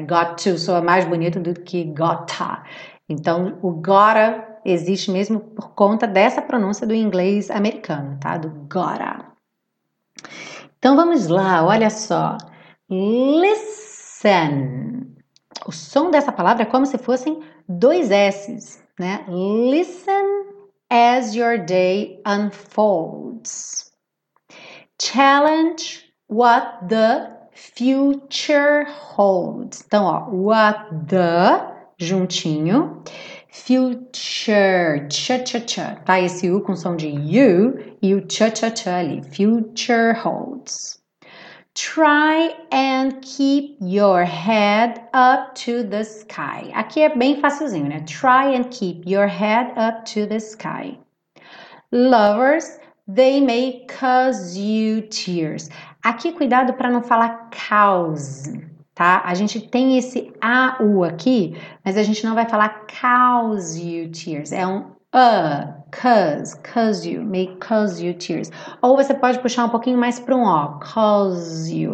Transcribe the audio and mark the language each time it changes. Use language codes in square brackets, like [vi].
[pt] Got to soa mais bonito do que gotta. Então, o gotta existe mesmo por conta dessa pronúncia do inglês americano, tá? Do gotta. Então, vamos lá, olha só. Listen Listen. O som dessa palavra é como se fossem dois S's, né? [en] Listen as your day unfolds. Challenge what the future holds. [pt] Então, ó, what the juntinho. Future, cha-cha-cha, tá? Esse U com som de U e o cha-cha-cha ali. [en] Future holds. Try and keep your head up to the sky. [pt] Aqui é bem facilzinho, né? [en] Try and keep your head up to the sky. Lovers, they may cause you tears. [pt] Aqui, cuidado para não falar cause. Tá? A gente tem esse AU aqui, mas a gente não vai falar [en] cause you tears. [pt] É um cause you, [en] may cause you tears. [pt] Ou você pode puxar um pouquinho mais para um O, [en] cause you.